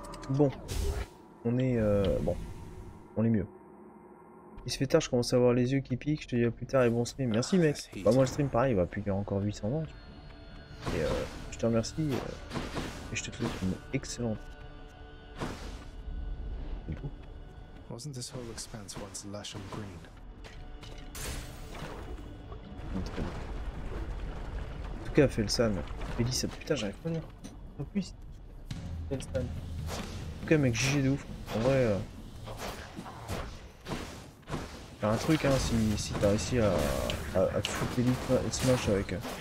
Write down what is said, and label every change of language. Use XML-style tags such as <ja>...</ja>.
<fr>Bon. On est bon. On est mieux. Il se fait tard, je commence à avoir les yeux qui piquent. Je te dis à plus tard et bon stream. Merci mec. Bah moi le stream pareil, il va plus durer encore 800 ans. Et je te remercie et je te souhaite une excellente.</fr> <en>Wasn't this whole expanse once lush and green?</en> <fr>En tout cas, Felsan, Félix, putain, j'arrive pas à dire. En plus, Felsan. En tout cas, mec, GG de ouf. En vrai, t'as un truc, hein, si t'as réussi à te foutre Félix et Smash avec.</fr>